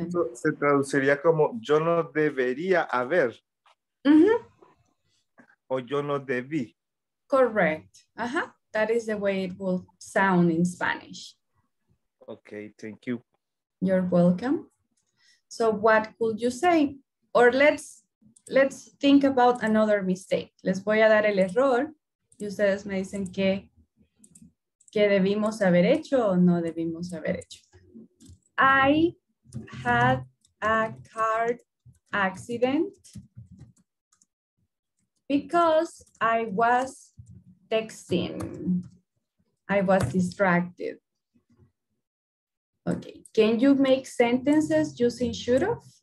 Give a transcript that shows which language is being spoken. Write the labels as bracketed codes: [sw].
[es] Esto se traduciría como yo no debería haber. Uh-huh. O yo no debí. [en] Correct. Uh-huh. That is the way it will sound in Spanish. Okay, thank you. You're welcome. So what could you say? Or let's think about another mistake. [es] Les voy a dar el error. Y ustedes me dicen que... ¿Qué debimos haber hecho o no debimos haber hecho? [en] I had a car accident because I was texting. I was distracted. Okay, can you make sentences using should have?